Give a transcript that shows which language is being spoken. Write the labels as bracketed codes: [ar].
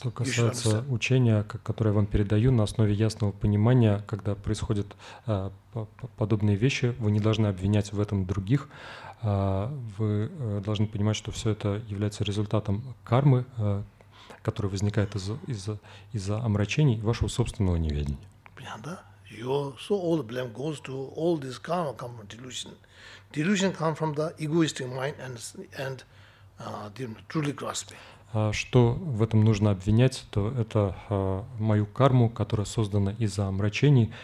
[ru] Что касается учения, которое я вам передаю на основе ясного понимания, когда происходят подобные вещи, вы не должны обвинять в этом других. Вы должны понимать, что все это является результатом кармы, которая возникает из-за омрачений вашего собственного неведения. Понятно, да? [en] So all the blame goes to all this karma comes from delusion. Delusion comes from the egoistic mind and truly grasping. [ru] Что в этом нужно обвинять, то это мою карму, которая создана из-за омрачений.